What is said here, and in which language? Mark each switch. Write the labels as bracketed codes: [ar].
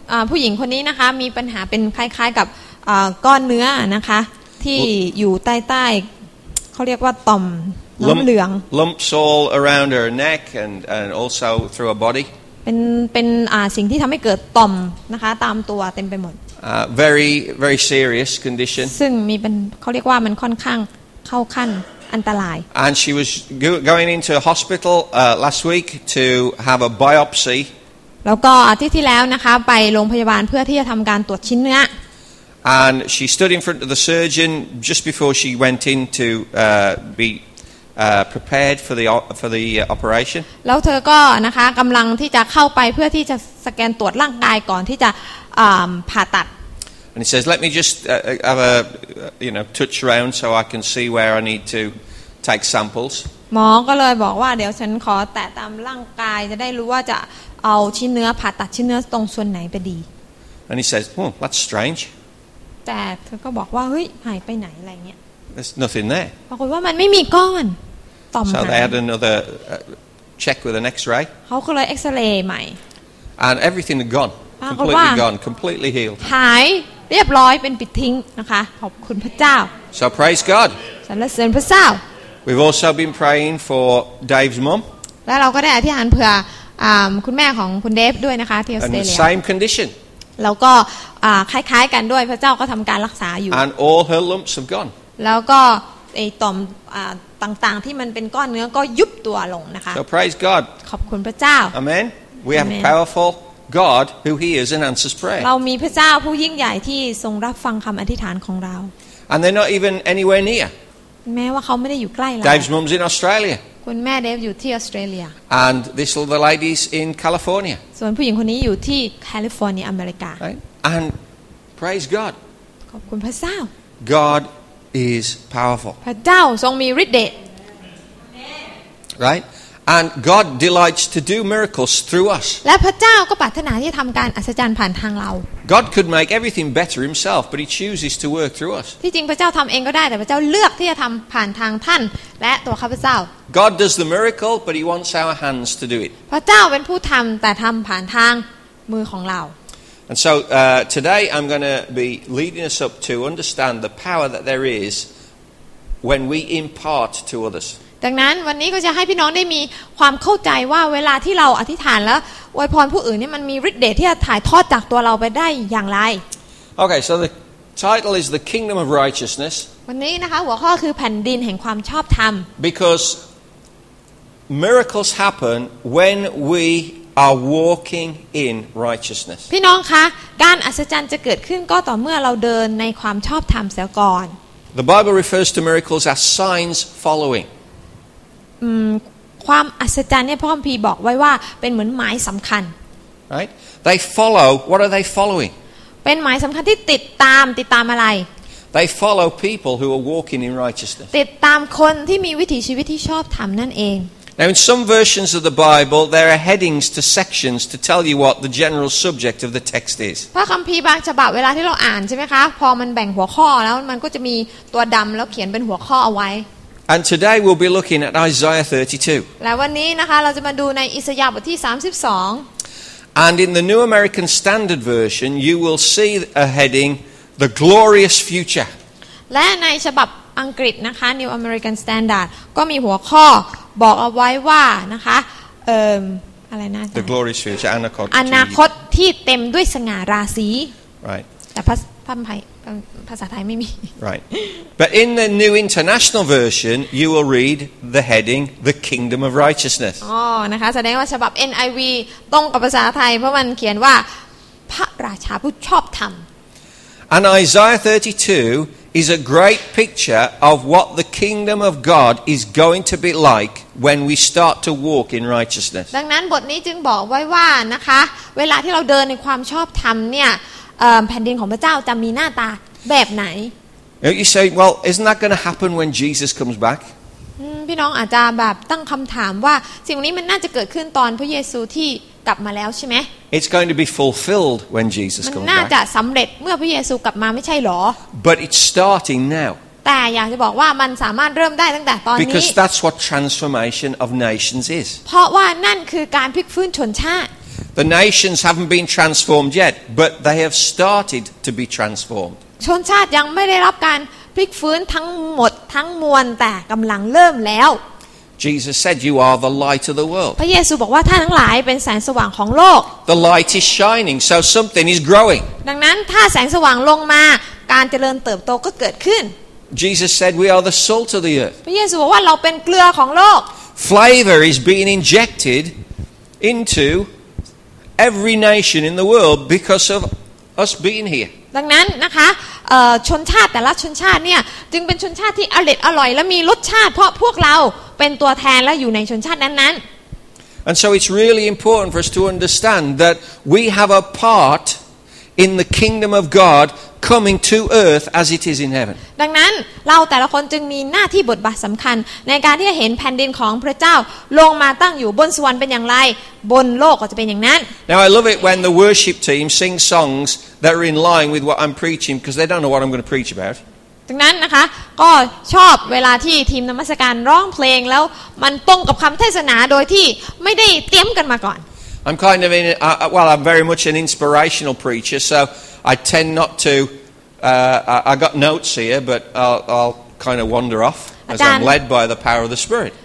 [th] ผู้หญิงคนนี้นะคะมีปัญหาเป็นคล้ายๆกับก้อนเนื้อนะคะที่อยู่ใต้ๆเขาเรียกว่าต่อมน้ำเหลือง [en] lumps all around her neck and also through her body [th] เป็นสิ่งที่ทำให้เกิดต่อมนะคะตามตัวเต็มไปหมด [en] very very serious condition [th] ซึ่งมีเป็นเขาเรียกว่ามันค่อนข้างเข้าขั้นอันตราย [en] and she was going into a hospital last week to have a biopsy [th] แล้วก็อาทิตย์ที่แล้วนะคะไปโรงพยาบาลเพื่อที่จะทำการตรวจชิ้นเนื้อ [en] And she stood in front of the surgeon just before she went in to be prepared for the operation [th] แล้วเธอก็นะคะกำลังที่จะเข้าไปเพื่อที่จะสแกนตรวจร่างกายก่อนที่จะผ่าตัด [en] And he says let me just have a you know touch around so I can see where I need to take samples [th] หมอก็เลยบอกว่าเดี๋ยวฉันขอแตะตามร่างกายจะได้รู้ว่าจะเอาชิ้นเนื้อผ่าตัดชิ้นเนื้อตรงส่วนไหนไปดี [en] And he says, "Oh, that's strange." [th] แต่เธอก็บอกว่าเฮ้ยหายไปไหนอะไรเงี้ย [en] There's nothing there. [th] ปรากฏว่ามันไม่มีก้อนต่อม หาย [en] So they had another check with an X-ray. [th] เขาก็เลยเอ็กซเรย์ใหม่ [en] And everything had gone. Completely gone. Completely healed. [th] หายเรียบร้อยเป็นปิดทิ้งนะคะขอบคุณพระเจ้า [en] So praise God. [th] สรรเสริญพระเจ้า [en] We've also been praying for Dave's mom. [th] และเราก็ได้อธิษฐานเผื่อคุณแม่ของคุณเดฟด้วยนะคะที่ออสเตรเลีย [en] Same condition [th] แล้วก็คล้ายๆกันด้วยพระเจ้าก็ทำการรักษาอยู่ [en] And all her lumps have gone [th] แล้วก็ไอ้ต่อมต่างๆที่มันเป็นก้อนเนื้อก็ยุบตัวลงนะคะ [en] So praise God [th] ขอบคุณพระเจ้า [en] Amen We have a powerful God who hears and answers prayer [th] เรามีพระเจ้าผู้ยิ่งใหญ่ที่ทรงรับฟังคำอธิษฐานของเรา [en] And they're not even anywhere near [th] แม้ว่าเขาไม่ได้อยู่ใกล้เร [en] า Dave's mum's in Australia [th] คุณแม่เดฟอยู่ที่ออสเตรเลีย [en] And this little lady's in California [th] ส่วนผู้หญิงคนนี้อยู่ที่แคลิฟอร์เนียอเมริกา [en] And praise God [th] ขอบคุณพระเจ้า [en] God is powerful [th] พระเจ้าทรงมีฤทธิ์เดช [en] Right And God delights to do miracles through us [th] และพระเจ้าก็ปรารถนาที่จะทำการอัศจรรย์ผ่านทางเรา [en] God could make everything better himself but he chooses to work through us [th] ที่จริงพระเจ้าทำเองก็ได้แต่พระเจ้าเลือกที่จะทำผ่านทางท่านและตัวข้าพเจ้า [en] God does the miracle but he wants our hands to do it [th] พระเจ้าเป็นผู้ทำแต่ทำผ่านทางมือของเรา [en] And so today I'm going to be leading us up to understand the power that there is when we impart to others [th] ดังนั้นวันนี้ก็จะให้พี่น้องได้มีความเข้าใจว่าเวลาที่เราอธิษฐานแล้วอวยพรผู้อื่นนี่มันมีฤทธิ์เดชที่จะถ่ายทอดจากตัวเราไปได้อย่างไร โอเค [en] so the title is the kingdom of righteousness [th] วันนี้นะคะหัวข้อคือแผ่นดินแห่งความชอบธรรม [en] because miracles happen when we are walking in righteousness [th] พี่น้องคะการอัศจรรย์จะเกิดขึ้นก็ต่อเมื่อเราเดินในความชอบธรรมเสียก่อน [en] the bible refers to miracles as signs following [th] ความอัศจรรย์เนี่ยพระคัมภีร์บอกไว้ว่าเป็นเหมือนหมายสำคัญ [en] right they follow what are they following [th] เป็นหมายสำคัญที่ติดตามอะไร [en] they follow people who are walking in righteousness [th] ติดตามคนที่มีวิถีชีวิตที่ชอบธรรมนั่นเอง [en] Now, in some versions of the Bible, there are headings to sections to tell you what the general subject of the text is. [th] พระคัมภีร์บางฉบับเวลาที่เราอ่านใช่ไหมคะพอมันแบ่งหัวข้อแล้วมันก็จะมีตัวดำแล้วเขียนเป็นหัวข้อเอาไว้ [en] And today we'll be looking at Isaiah 32. [th] และวันนี้นะคะเราจะมาดูในอิสยาห์บทที่32 [en] And in the New American Standard Version, you will see a heading, "The Glorious Future." [th] และในฉบับอังกฤษนะคะ New American Standard ก็มีหัวข้อบอกเอาไว้ว่านะคะอะไรนะ [en] The glorious future อ [th] นาคตที่เต็มด้วยสง่าราศี [en] right [th] แต่ภาษาไทยไม่มี [en] right but in the new international version you will read the heading the kingdom of righteousness [th] อ๋อนะคะแสดงว่าฉบับ NIV ตรงกับภาษาไทยเพราะมันเขียนว่าพระราชาผู้ชอบธรรม [en] and Isaiah 32is a great picture of what the kingdom of God is going to be like when we start to walk in righteousness. [th] ดังนั้นบทนี้จึงบอกไว้ว่านะคะเวลาที่เราเดินในความชอบธรรมเนี่ยแผ่นดินของพระเจ้าจะมีหน้าตาแบบไหน [en] Now you say, well, isn't that going to happen when Jesus comes back? [th] พี่น้องอาจจะแบบตั้งคำถามว่าสิ่งนี้มันน่าจะเกิดขึ้นตอนพระเยซูที่กลับมาแล้วใช่ไหม [en] It's going to be fulfilled when Jesus comes back. [th] มันน่าจะสำเร็จเมื่อพระเยซูกลับมาไม่ใช่หรอ [en] But it's starting now. [th] แต่อยากจะบอกว่ามันสามารถเริ่มได้ตั้งแต่ตอนนี้ [en] Because that's what transformation of nations is. [th] เพราะว่านั่นคือการพลิกฟื้นชนชาติ [en] The nations haven't been transformed yet, but they have started to be transformed. [th] ชนชาติยังไม่ได้รับการพลิกฟื้นทั้งหมดทั้งมวลแต่กำลังเริ่มแล้ว [en] Jesus said, "You are the light of the world." [th] พระเยซูบอกว่าท่านทั้งหลายเป็นแสงสว่างของโลก [en] The light is shining, so something is growing. [th] ดังนั้นถ้าแสงสว่างลงมาการเจริญเติบโตก็เกิดขึ้น [en] Jesus said, "We are the salt of the earth." [th] พระเยซูบอกว่าเราเป็นเกลือของโลก [en] Flavor is being injected into every nation in the world because of us being here. [th] ดังนั้นนะคะชนชาติแต่ละชนชาติเนี่ยจึงเป็นชนชาติที่อร่อยและมีรสชาติเพราะพวกเราเป็นตัวแทนและอยู่ในชนชาตินั้น [en] ๆ And so it's really important for us to understand that we have a part in the kingdom of God coming to earth as it is in heaven [th] ดังนั้นเราแต่ละคนจึงมีหน้าที่บทบาทสำคัญในการที่จะเห็นแผ่นดินของพระเจ้าลงมาตั้งอยู่บนสวรรค์เป็นอย่างไรบนโลกก็จะเป็นอย่างนั้น [en] Now I love it when the worship team sing songs that are in line with what I'm preaching because they don't know what I'm going to preach about [th] ดังนั้นนะคะก็ชอบเวลาที่ทีมนมัสการร้องเพลงแล้วมันตรงกับคำเทศนาโดยที่ไม่ได้เตรียมกันมาก่อน [en] I'm kind of in, well, I'm very much an inspirational preacher, so I tend not to, I got notes here, but I'll kind of wander off as I'm led by the power of the Spirit.